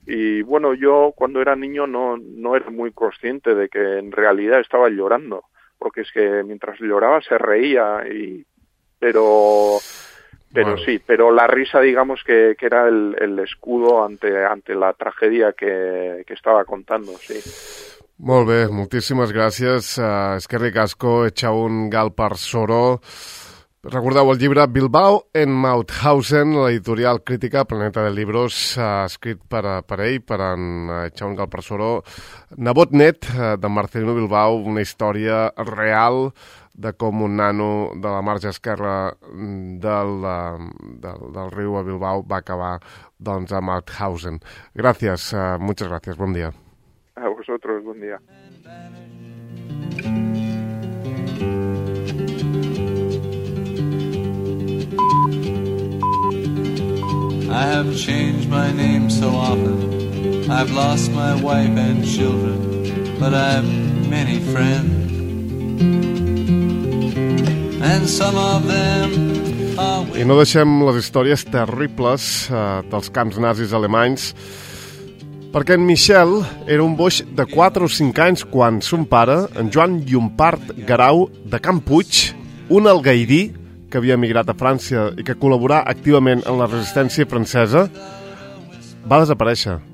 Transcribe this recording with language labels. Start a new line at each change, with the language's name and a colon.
Spanish: Y bueno, yo cuando era niño no era muy consciente de que en realidad estaba llorando, porque es que mientras lloraba se reía, pero bueno. Sí, pero la risa, digamos que era el escudo ante la tragedia que estaba contando, sí.
Catalan: Molt bé, moltíssimes gràcies.
Basque: Eskerrik asko, Echaún Galper Soro.
Catalan: Recordeu el llibre Bilbao en Mauthausen, l'editorial crítica Planeta de Libros, escrit per ell, per en Echaún Galper Soro. Nebot net de Marcelino Bilbao, una història real de com un nano de la marge esquerra del riu a Bilbao va acabar doncs a Mauthausen. Gràcies, moltes gràcies, bon dia. A vosaltres, bon dia.
English: I have changed my name so often. I've lost my wife and children, but I have many friends. And some of them are...
Catalan: I no deixem les històries terribles dels camps nazis alemanys, perquè en Michel era un boix de 4 o 5 anys quan son pare, en Joan Llompart Garau, de Camp Puig, un algaidí que havia emigrat a França i que col·laborà activament en la resistència francesa, va desaparèixer.